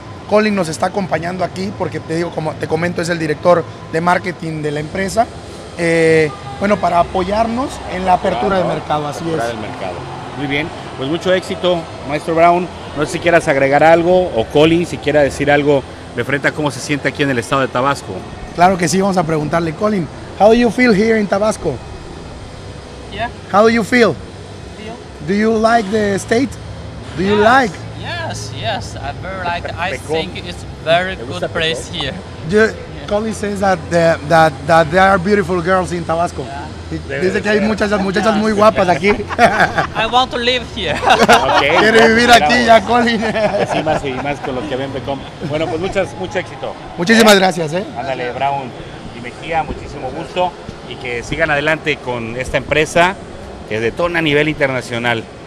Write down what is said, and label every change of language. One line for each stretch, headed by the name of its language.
Spanish: Colin nos está acompañando aquí porque te digo, como te comento, es el director de marketing de la empresa. Bueno, para apoyarnos en la apertura, claro, del mercado, así apertura es. Del mercado. Muy bien, pues mucho éxito, Maestro Brown. No sé si quieras agregar algo o Colin, si quiera decir algo de frente a cómo se siente aquí en el estado de Tabasco. Claro que sí, vamos a preguntarle, Colin.
English: How do you feel here in Tabasco? Yeah. How do you feel? Feel. Do you like the state? Do you like? Yes, yes. I very like. I think it's very good place here. Colin says that that there are beautiful girls in Tabasco. Yeah.
Spanish: Dice que hay muchachas muy guapas aquí.
English: I want to live here.
Spanish: Okay, quiere vivir aquí ya, Colin. Sí, más con lo que ven, Becom. Bueno, pues mucho éxito. Muchísimas gracias, ¿eh? Ándale, Brown y Mejía, muchísimo gusto. Y que sigan adelante con esta empresa que detona a nivel internacional.